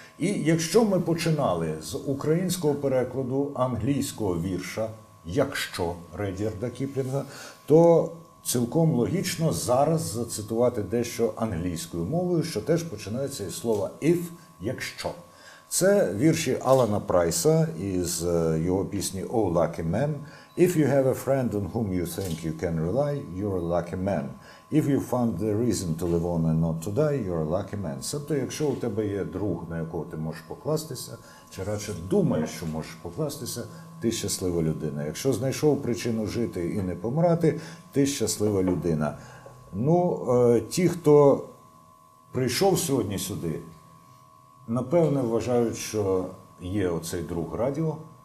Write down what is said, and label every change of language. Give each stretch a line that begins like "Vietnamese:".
Ukrainian: І якщо ми починали з українського перекладу англійського вірша «Якщо» Редьярда Кіплінга, то цілком логічно зараз зацитувати дещо англійською мовою, що теж починається із слова «if» – «якщо». Це вірші Алана Прайса із його пісні «Oh, lucky man».
English: If you have a friend on whom you think you can rely, you're a lucky man. If you found the reason to live on and not to die, you're a lucky man.
Ukrainian: Тобто, якщо у тебе є друг, на якого ти можеш покластися, чи радше думаєш, що можеш покластися, ти щаслива людина. Якщо знайшов причину жити і не помирати, ти щаслива людина. Ну, ті, хто прийшов сьогодні сюди, напевне вважають, що є оцей друг радіо.